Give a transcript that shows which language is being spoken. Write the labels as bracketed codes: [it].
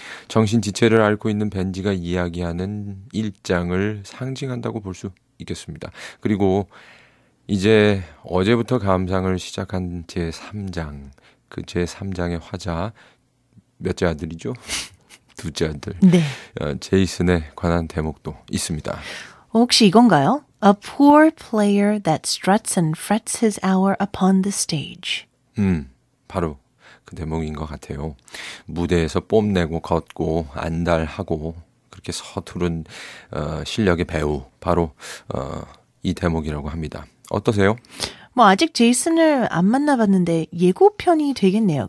[ko] 정신 지체를 앓고 있는 벤지가 이야기하는 일장을 상징한다고 볼 수 있겠습니다. 그리고 이제 어제부터 감상을 시작한 제3장, 그 제3장의 화자 몇째 아들이죠? 두째 아들. 네. 제이슨에 관한 대목도 있습니다. 혹시 이건가요? [en] A poor player that struts and frets his hour upon the stage. [ko] 바로 그 대목인 것 같아요. 무대에서 뽐내고 걷고 안달하고 그렇게 서투른 실력의 배우. 바로 이 대목이라고 합니다. 어떠세요? 뭐 아직 제이슨을 안 만나봤는데 예고편이 되겠네요.